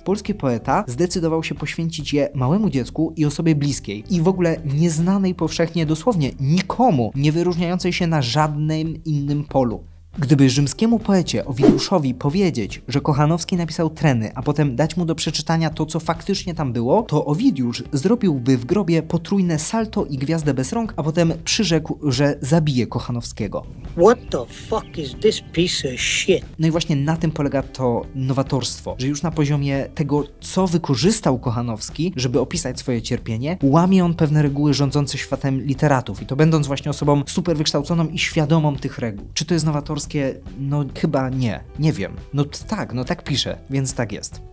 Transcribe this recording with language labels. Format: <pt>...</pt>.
<pl>Polski poeta zdecydował się poświęcić je małemu dziecku i osobie bliskiej i w ogóle nieznanej powszechnie dosłownie nikomu, nie wyróżniającej się na żadnym innym polu. Gdyby rzymskiemu poecie Owidiuszowi powiedzieć, że Kochanowski napisał treny, a potem dać mu do przeczytania to, co faktycznie tam było, to Owidiusz zrobiłby w grobie potrójne salto i gwiazdę bez rąk, a potem przyrzekł, że zabije Kochanowskiego.</pl> <en>What the fuck is this piece of shit?</en> <pl>No i właśnie na tym polega to nowatorstwo, że już na poziomie tego, co wykorzystał Kochanowski, żeby opisać swoje cierpienie, łamie on pewne reguły rządzące światem literatów i to będąc właśnie osobą super wykształconą i świadomą tych reguł. Czy to jest nowatorstwo? No chyba nie. Nie wiem. No tak piszę, więc tak jest.</pl>